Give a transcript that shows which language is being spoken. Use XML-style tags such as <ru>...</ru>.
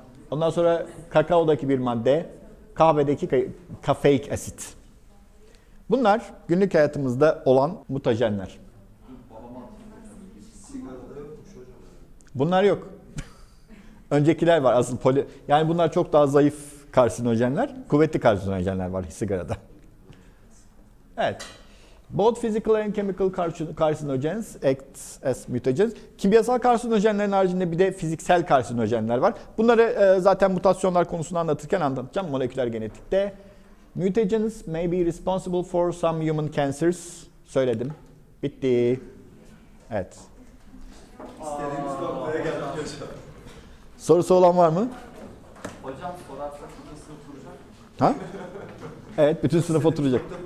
<tr>Ondan sonra kakaodaki bir madde, kahvedeki kafeik asit. Bunlar günlük hayatımızda olan mutajenler. Bunlar yok. Öncekiler var. Asıl poli, yani bunlar çok daha zayıf karsinojenler. Kuvvetli karsinojenler var sigarada. Evet.</tr> <en>Both physical and chemical carcinogens act as mutagens.</en> <tr>Kimyasal karsinojenlerin haricinde bir de fiziksel karsinojenler var. Bunları zaten mutasyonlar konusunu anlatırken anlatacağım, moleküler genetikte.</tr> <en>Mutagens may be responsible for some human cancers.</en> <tr>Söyledim. Bitti. Evet. İstediğimiz noktaya geldik hocam. Sorusu olan var mı? Hocam sorarsak bütün sınıf oturacak. Ha? Evet, bütün sınıf oturacak.</tr>